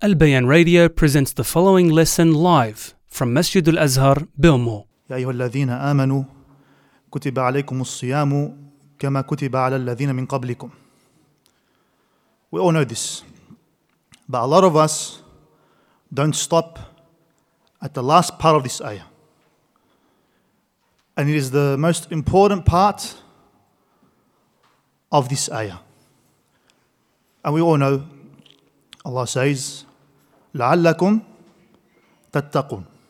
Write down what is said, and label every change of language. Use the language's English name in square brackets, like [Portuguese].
[English] البيان radio presents the following lesson live from مسجد الأزهر بأمو. [Arabic] يا أيها الذين آمنوا كتب عليكم الصيام كما كتب على الذين من قبلكم. [English] We all know this. But a lot of us don't stop at the last part of this ayah. And it is the most important part of this ayah. And we all know Allah says, [Arabic] لَعَلَّكُمْ تَتَّقُونَ.